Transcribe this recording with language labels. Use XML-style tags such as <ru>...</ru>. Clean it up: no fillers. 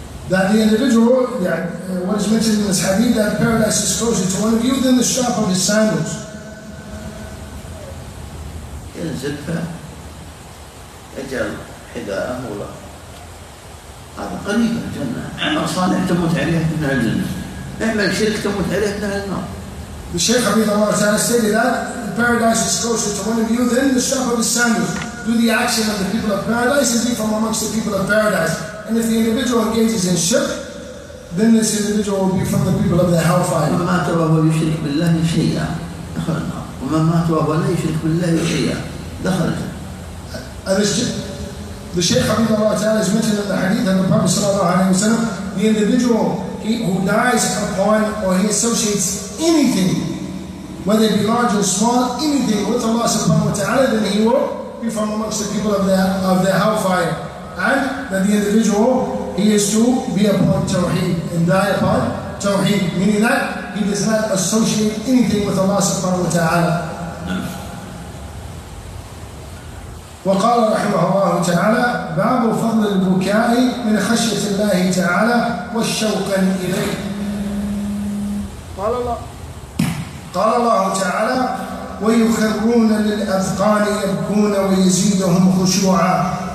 <en>That the individual, what is mentioned in this hadith, that paradise is closer to one of you than the strap of his sandals.</en> <ar>أجل حذاءه ولا هذا قريب الجنة. عمل صالح تموت عليه من الجنة. اعمل شرك تموت عليه من النار.</ar> <en>The Shaykh Hafidhahu Allah Ta'ala stated that paradise is closer to one of you than the strap of his sandals. Do the action of the people of paradise and be from amongst the people of paradise. And if the individual engages in shirk, then this individual will be from the people of the hellfire.</en> <ar>وما مات وهو يشرك بالله شيئا دخل النار. وما مات وهو لا يشرك بالله شيئا دخل الجنة.</ar> <en>The Shaykh Hafidhahu Ta'ala is mentioned in the hadith and the Prophet Sallallahu Alaihi Wasallam, the individual who dies upon or he associates anything, whether it be large or small, anything with Allah Subhanahu Wa Ta'ala, then he will be from amongst the people of the hellfire. And that the individual, he is to be upon Tawheed and die upon Tawheed, meaning that he does not associate anything with Allah Subhanahu Wa Ta'ala.</en> <ar>وقال رحمه الله تعالى باب فضل البكاء من خشية الله تعالى والشوق إليه. قال الله تعالى ويخرون للأذقان يبكون ويزيدهم خشوعا.</ar>